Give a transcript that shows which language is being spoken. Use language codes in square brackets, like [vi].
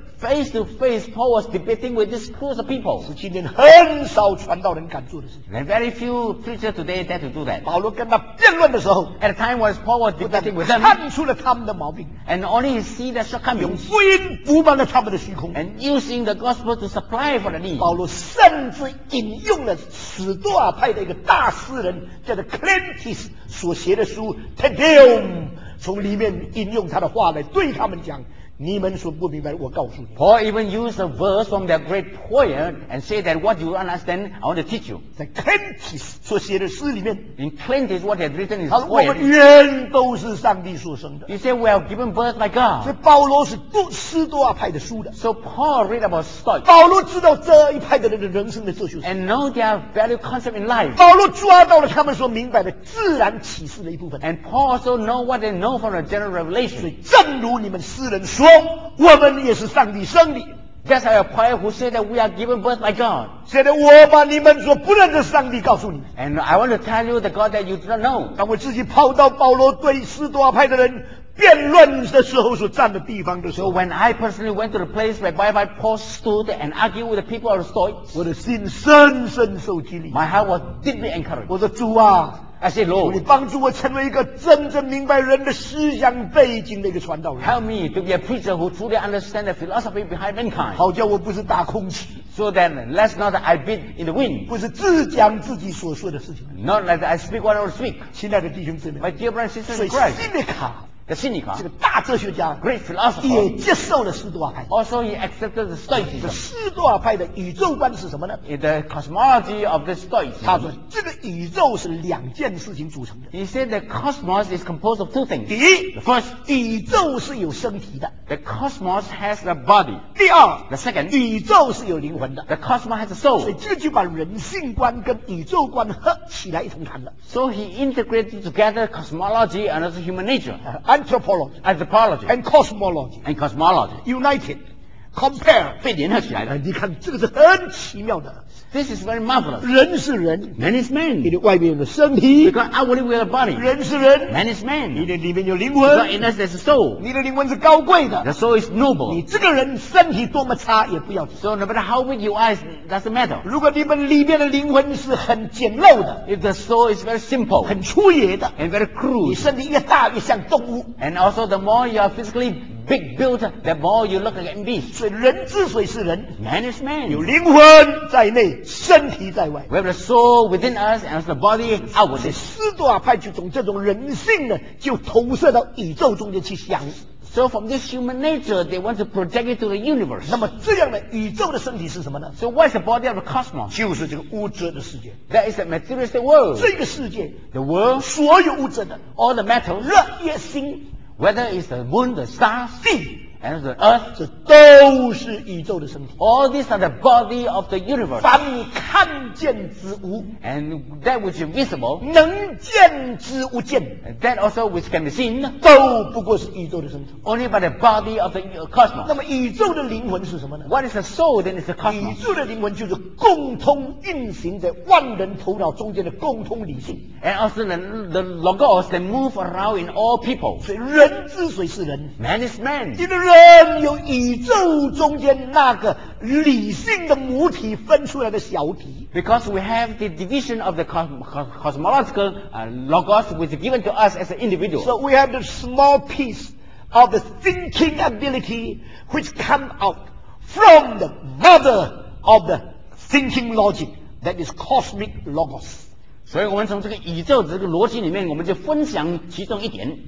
[en] Face to face, Paul was debating with these groups of people. [zh] 是今天很少传道人敢做的事情。 [en] And very few preachers today dare to do that. [zh] 保罗跟他辩论的时候 [en] ，At a time when Paul was debating with them, [zh] 看出了他们的毛病。 [en] And only he see the shortcomings. [zh] 用福音补满了他们的虚空。 [en] And using the gospel to supply for the need. [zh] 保罗甚至引用了史多亚派的一个大诗人叫做 Clintus 所写的书 Te Deum， 从里面引用他的话来对他们讲。你们说不明白，我告诉你。 [en] Paul even used a verse from the great poet and say that what you understand, I want to teach you. [zh] 在 Clintus 所写的诗里面 [en] ，In Clintus what he had written is poem. [zh] 我们原都是上帝所生的。 [en] He said we are given birth by God. [zh] 所以保罗是读斯多亚派的书的。 [en] So Paul read about Stoics. [zh] 保罗知道这一派的人的人生的哲学。 [en] And know their value concept in life. [zh] 保罗抓到了他们所明白的自然启示的一部分。 [en] And Paul also know what they know from the general revelation. [zh] 所以正如你们诗人说。我们也是上帝生的。 [en] That's how a prayer who said that we are given birth by God. [zh] 现在我把你们所不认识上帝告诉你。 [en] And I want to tell you the God that you do not know. [zh] 当我自己跑到保罗对斯多亚派的人辩论的时候所站的地方的时候 [en] ，So when I personally went to the place where Bible Paul stood and argued with the people of the Stoics, [zh] 我的心深深受激励。 [en] My heart was deeply encouraged. [zh] 我说主啊。 [en] I say, Lord, [zh] 你帮助我成为一个真正明白人的思想背景的一个传道人。 [en] Help me to be a preacher who truly understands the philosophy behind mankind. [zh] 好叫我不是打空气。 [en] So then, let's not I beat in the wind. [zh] 不是自讲自己所说的事情。 [en] Not like I speak what I speak. [zh] 亲爱的弟兄姊妹 [en] ，My dear brothers and sisters in Christ. [zh] 所以Seneca 的心理学，这个大哲学家 [en] ，Great philosopher， [zh] 也接受了斯多亚派。 [en] Also, he accepted the Stoics. [zh] 这斯多亚派的宇宙观是什么呢 [en] ？The cosmology of the Stoics. [zh] 他说，这个宇宙是两件事情组成的。 [en] He said the cosmos is composed of two things. [zh] 第一 [en] ，The first， [zh] 宇宙是有身体的。 [en] The cosmos has a body. [zh] 第二 [en] ，The second， [zh] 宇宙是有灵魂的。 [en] The cosmos has a soul. [zh] 所以这就把人性观跟宇宙观合起来一同谈了。 [en] So he integrated together cosmology and also human nature. Anthropology and cosmology, united, compare, [zh] 被联合起来的。你看，这个是很奇妙的。 [en] This is very marvelous. [zh] 人是人 [en] ，man is man. [zh] 你的外面有的身体 [en] ，because outwardly we have a body. [zh] 人是人 [en] ，man is man. [zh] 你的里面有灵魂 [en] ，because in us there's a soul. [zh] 你的灵魂是高贵的 [en] ，the soul is noble. [zh] 你这个人身体多么差也不要紧 [en] ，so no matter how weak you are, doesn't matter. [zh] 如果你们里面的灵魂是很简陋的 [en] ，if the soul is very simple, [zh] 很粗野的 [en] ，and very crude. [zh] 你身体越大越像动物 [en] ，and also the more you are physically big built, the more you look like a beast. [zh] 所以人之所以是人 [en] ，man is man. [zh] 有灵魂在内。身体在外 [en] ，we have the soul within us and the body outwardly. [zh] 斯多亚派就从这种人性呢，就投射到宇宙中间去想。 [en] So from this human nature, they want to project it to the universe. [zh] 那么这样的宇宙的身体是什么呢 [en] ？So what is the body of the cosmos? [zh] 就是这个物质的世界。 [en] That is the materialistic world. [zh] 这个世界 [en] ，the world， [zh] 所有物质的 [en] ，all the metal， [zh] 热、月、星 [en] ，whether it's the moon, the stars， [zh] 地 [en] and the earth， [zh] 这都是宇宙的身体。 [en] All these are the body of the universe。 [zh] 凡你看见之物 [en] ，and that which is visible， [zh] 能见之物见 [en] ，that also which can be seen， [zh] 都不过是宇宙的身体。 [en] Only by the body of the cosmos。 [zh] 那么宇宙的灵魂是什么呢 [en] ？What is the soul then is the cosmos。 [zh] 宇宙的灵魂就是共通运行在万人头脑中间的共通理性。 [en] And also the logos that move around in all people。 [zh] 所以人之所以是人 [en] ，man is man。 [zh] 因为人有宇宙中间那个理性的母体分出来的小体。 [en] Because we have the division of the cosmological logos which is given to us as an individual. So we have the small piece of the thinking ability which come out from the mother of the thinking logic, that is cosmic logos. [zh] 所以我们从这个宇宙这个逻辑里面，我们就分享其中一点，